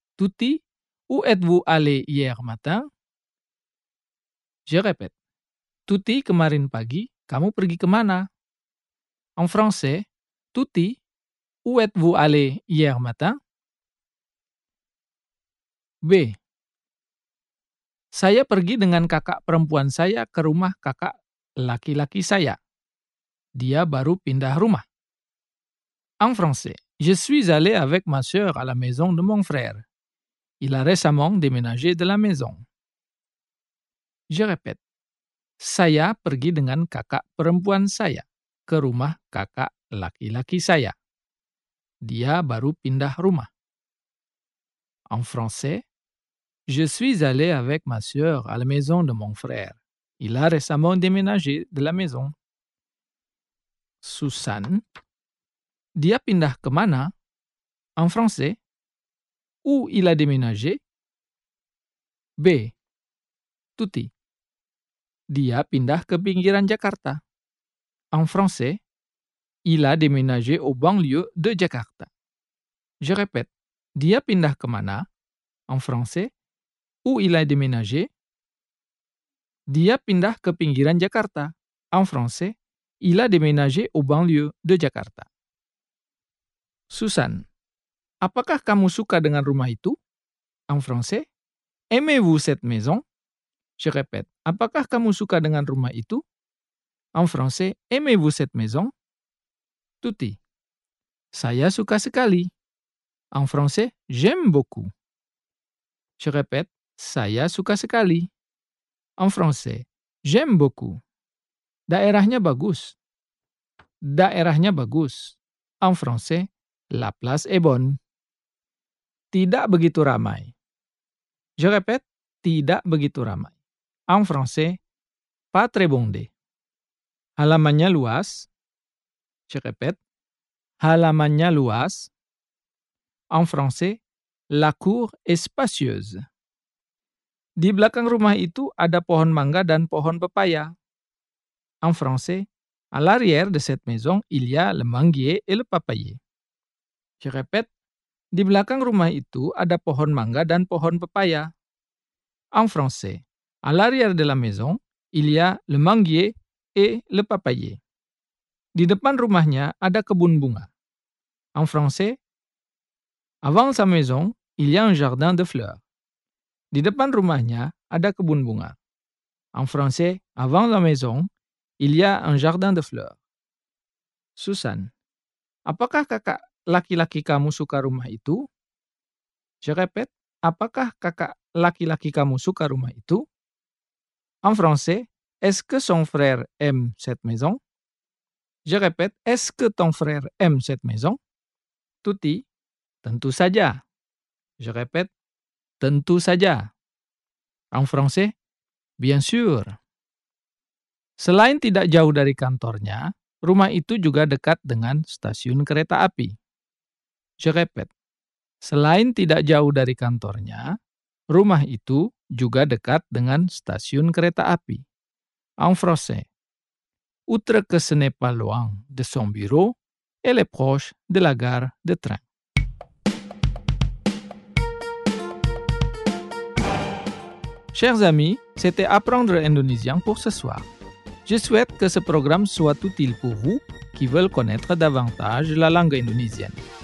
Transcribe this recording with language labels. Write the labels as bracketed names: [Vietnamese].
[French] Tuti, où êtes-vous allé hier matin? Je répète. [Indonesian] Tuti, kemarin pagi, kamu pergi kemana? [French] En français. Tuti, où êtes-vous allé hier matin? B. [Indonesian] Saya pergi dengan kakak perempuan saya ke rumah kakak laki-laki saya. Dia baru pindah rumah. [French] En français. Je suis allé avec ma sœur à la maison de mon frère. Il a récemment déménagé de la maison. Je répète. [Indonesian] Saya pergi dengan kakak perempuan saya ke rumah kakak laki-laki saya. Dia baru pindah rumah. [French] En français, je suis allé avec ma sœur à la maison de mon frère. Il a récemment déménagé de la maison. Susan, [Indonesian] dia pindah ke mana? [French] En français, où il a déménagé? B. [Indonesian] Tuti, dia pindah ke pinggiran Jakarta. [French] En français, il a déménagé au banlieue de Jakarta. Je répète, [Indonesian] dia pindah kemana? [French] En français, où il a déménagé? [Indonesian] dia pindah ke pinggiran Jakarta. [French] En français, il a déménagé au banlieue de Jakarta. [Indonesian] Susan, apakah kamu suka dengan rumah itu? [French] En français, aimez-vous cette maison? Je répète, [Indonesian] apakah kamu suka dengan rumah itu? [French] En français, aimez-vous cette maison? Tuti, [Indonesian] saya suka sekali. [French] En français, j'aime beaucoup. Je répète, [Indonesian] saya suka sekali. [French] En français, j'aime beaucoup. [Indonesian] Daerahnya bagus. Daerahnya bagus. [French] En français, la place est bonne. [Indonesian] Tidak begitu ramai. [French] Je répète, [Indonesian] tidak begitu ramai. [French] En français, pas très bondé. [Indonesian] Halamannya luas. [French] Je répète, [Indonesian] halamannya luas. [French] En français, la cour est spacieuse. [Indonesian] Di belakang rumah itu ada pohon mangga dan pohon pepaya. [French] En français, à l'arrière de cette maison, il y a le manguier et le papayer. Je répète, [Indonesian] di belakang rumah itu ada pohon mangga dan pohon pepaya. [French] En français, à l'arrière de la maison, il y a le manguier et le papayer. [Indonesian] Di depan rumahnya ada kebun bunga. [French] En français, avant sa maison, il y a un jardin de fleurs. [Indonesian] Di depan rumahnya ada kebun bunga. [French] En français, avant la maison, il y a un jardin de fleurs. [Indonesian] Susan, apakah kakak laki-laki kamu suka rumah itu? [French] Je répète, [Indonesian] apakah kakak laki-laki kamu suka rumah itu? [French] En français, est-ce que son frère aime cette maison? Je répète, est-ce que ton frère aime cette maison? [Indonesian] Tuti, tentu saja. [French] Je répète, [Indonesian] tentu saja. [French] En français, bien sûr. [Indonesian] Selain tidak jauh dari kantornya, rumah itu juga dekat dengan stasiun kereta api. [French] Je répète, [Indonesian] selain tidak jauh dari kantornya, rumah itu juga dekat dengan stasiun kereta api. [French] En français, outre que ce n'est pas loin de son bureau, elle est proche de la gare de train. Chers amis, c'était Apprendre l'Indonésien pour ce soir. Je souhaite que ce programme soit utile pour vous qui veulent connaître davantage la langue indonésienne.